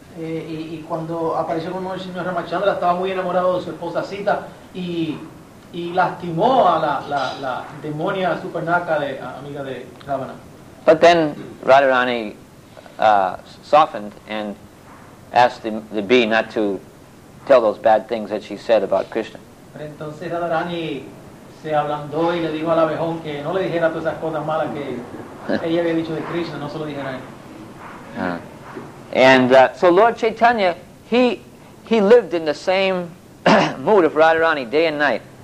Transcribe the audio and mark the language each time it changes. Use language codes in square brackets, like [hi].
[es] Y cuando apareció con el señor Ramachandra, estaba muy enamorado de su esposa Sita y lastimó a la demonia Supanaka, de amiga de Ravana. [en] But then Radharani softened and asked the bee not to tell those bad things that she said about Krishna. [es] Pero entonces Radharani se ablandó y le dijo al abejón que no le dijera todas esas cosas malas que ella había dicho de Krishna, no se lo dijera a él. [en] And so Lord Chaitanya, he lived in the same mood of Radharani day and night.